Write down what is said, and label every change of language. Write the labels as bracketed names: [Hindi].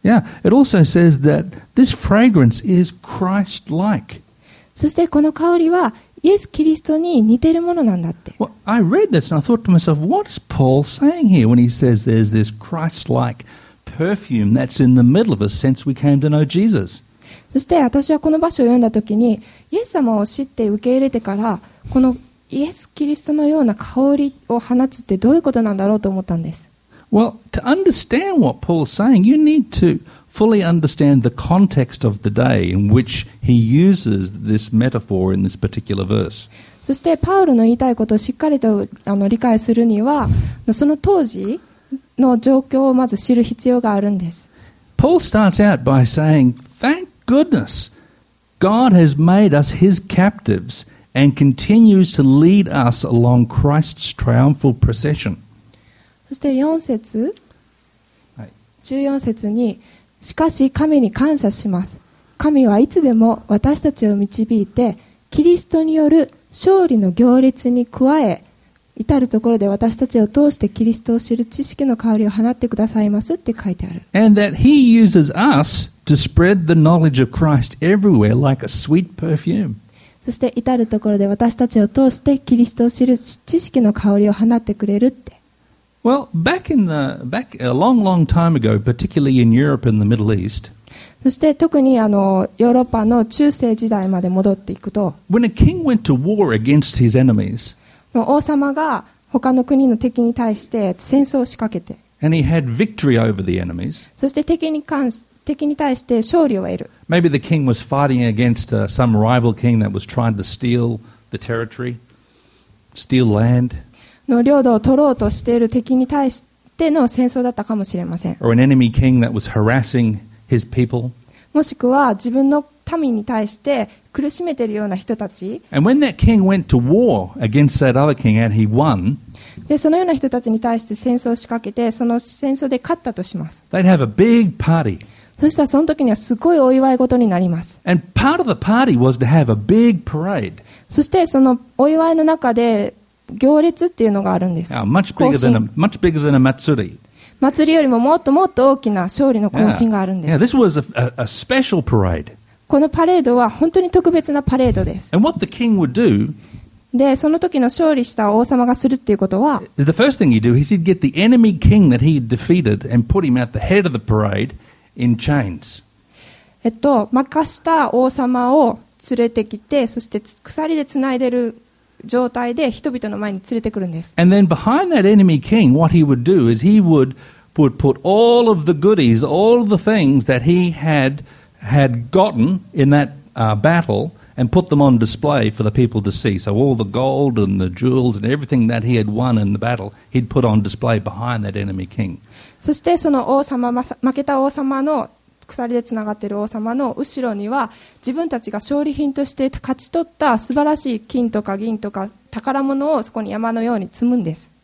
[English] Yeah, it also says that this fragrance is Christ-like. [Japanese] そしてこの香りはイエス・キリストに似てるものなんだって。 [English] Well, I read this and I thought to myself, what is Paul saying here when he says there's this Christ-like perfume that's in the middle of us since we came to know Jesus? [Japanese] そして私はこの場所を読んだときに、イエス様を知って受け入れてから、このイエス・キリストのような香りを放つってどういうことなんだろうと思ったんです。 [English] Well, to understand what Paul's saying, you need to fully understand the context of the day in which he uses this metaphor in this particular verse. [Japanese] そして、パウロの言いたいことをしっかりと理解するには、その当時の状況をまず知る必要があるんです。 [English] Paul starts out by saying, Thank goodness, God has made us his captives. And continues to lead us along Christ's triumphal procession. [Japanese] そして4節、14節に、しかし神に感謝します。神はいつでも私たちを導いて、キリストによる勝利の行列に加え、至るところで私たちを通してキリストを知る知識の香りを放ってくださいますって書いてある。 [English] And that he uses us to spread the knowledge of Christ everywhere like a sweet perfume. [Japanese] そして至るところで私たちを通してキリストを知る知識の香りを放ってくれるって。 [English] Well, back a long, long time ago, particularly in Europe and the Middle East. [Japanese] そして特にヨーロッパの中世時代まで戻っていくと、 [English] When a king went to war against his enemies, [Japanese] 王様が他の国の敵に対して戦争を仕掛けて、 [English] And he had victory over the enemies. [Japanese] そして敵に対して勝利を得る。 [English] Maybe the king was fighting against some rival king that was trying to steal the territory, steal land. [Japanese] の領土を取ろうとしている敵に対しての戦争だったかもしれません。 [English] Or an enemy king that was harassing his people. [Japanese] もしくは自分の民に対して苦しめているような人たち。 [English] And when that king went to war against that other king and he won, [Japanese] でそのような人たちに対して戦争を仕掛けてその戦争で勝ったとします。 [English] They'd have a big party. [Japanese] そしたらその時にはすごいお祝い事になります。 [English] And part of the party was to have a big parade. [Japanese] そしてそのお祝いの中で行列っていうのがあるんです。 [English] Now, much bigger than a, much bigger than a [Japanese] 祭り。祭りよりももっともっと大きな勝利の行進があるんです。 [English] Yeah, this was a special parade. [Japanese] このパレードは本当に特別なパレードです。 [English] And what the king would do [Japanese] でその時の勝利した王様がするっていうことは、 [English] The first thing he'd do is he'd get the enemy king that he had defeated and put him at the head of the parade in chains. [Japanese] 負かした王様を連れてきて、そして鎖でつないでる状態で人々の前に連れてくるんです。 [English] And then behind that enemy king, what he would do is he would put all of the goodies, all of the things that he had gotten in that battle, and put them on display for the people to see. So all the gold and the jewels and everything that he had won in the battle, he'd put on display behind that enemy king. [Japanese] そしてその王様、負けた王様の鎖でつながっている王様の後ろには自分たちが勝利品として勝ち取った素晴らしい金とか銀とか宝物をそこに山のように積むんです。